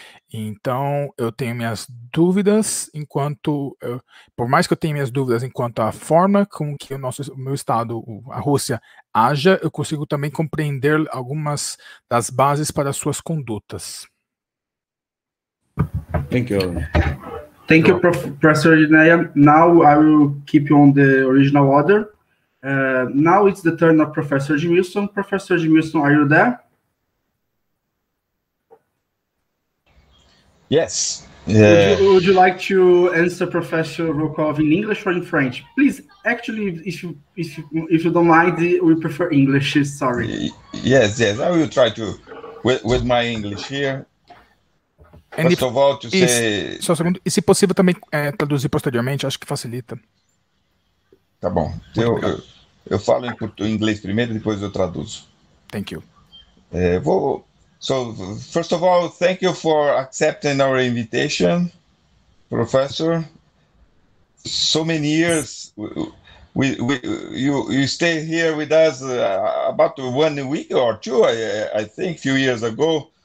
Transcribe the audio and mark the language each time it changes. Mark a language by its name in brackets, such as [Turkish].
[Portuguese] Então, eu tenho minhas dúvidas enquanto... por mais que eu tenha minhas dúvidas enquanto a forma com que o meu estado, a Rússia, haja, eu consigo também compreender algumas das bases para suas condutas. [English] Thank you. Thank you, Professor Irineia. Now I will keep you on the original order. Now it's the turn of Professor Edmilson. Professor Edmilson, are you there? Yes. Would you like to answer Professor Rukov in English or in French? Please, actually, if you don't mind, we prefer English. Sorry. Yes. I will try to, with my English here. First of all, to say... [Portuguese] Só um segundo. E se possível também traduzir posteriormente, acho que facilita. Tá bom. Eu falo em inglês primeiro, depois eu traduzo. [English] Thank you. So, first of all, thank you for accepting our invitation, Professor. So many years, you stayed here with us about 1 week or two, I think, a few years ago.